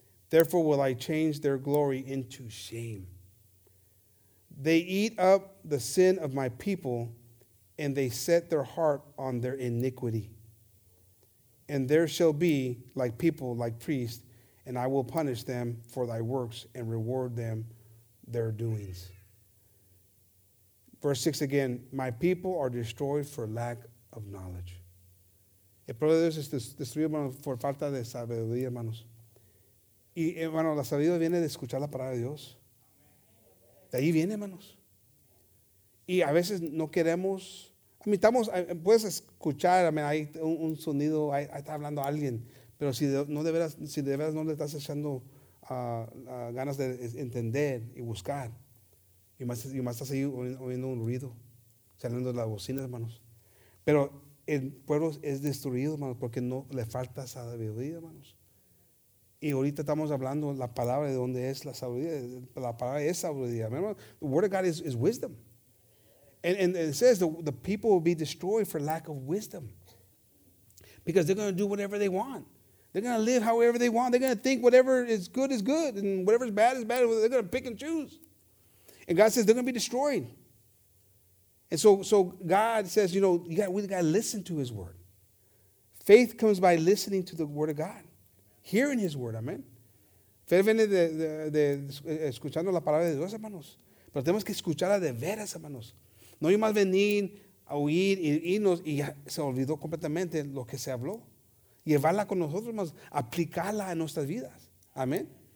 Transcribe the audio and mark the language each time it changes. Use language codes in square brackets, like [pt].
[en] Therefore will I change their glory into shame. They eat up the sin of my people, and they set their heart on their iniquity. And there shall be like people, like priests, and I will punish them for thy works and reward them their doings. Verse 6 again, my people are destroyed for lack of knowledge. [es] El pueblo de Dios es destruido, hermanos, por falta de sabiduría, hermanos. Y, hermano, la sabiduría viene de escuchar la palabra de Dios. De ahí viene, hermanos. Y a veces no queremos. Admitamos, puedes escuchar, hay un sonido, ahí está hablando alguien. Pero si de veras no le estás echando ganas de entender y buscar, y más estás ahí oyendo un ruido, saliendo de las bocinas, hermanos. Pero el pueblo es destruido, hermanos, porque no le falta sabiduría, hermanos. Y ahorita estamos hablando la palabra de dónde es la sabiduría. La palabra es sabiduría. [en] Remember, the word of God is wisdom. And it says the people will be destroyed for lack of wisdom. Because they're going to do whatever they want. They're going to live however they want. They're going to think whatever is good is good. And whatever is bad is bad. They're going to pick and choose. And God says they're going to be destroyed. And so God says, you know, we got to listen to his word. Faith comes by listening to the word of God. Hearing his word, amen. [es] Fe viene de escuchando la palabra de Dios, hermanos. Pero tenemos que escucharla de veras, hermanos. No hay más venir a oír y irnos y ya se olvidó completamente lo que se habló. Llevarla con nosotros, hermanos. Aplicarla en nuestras vidas, amen.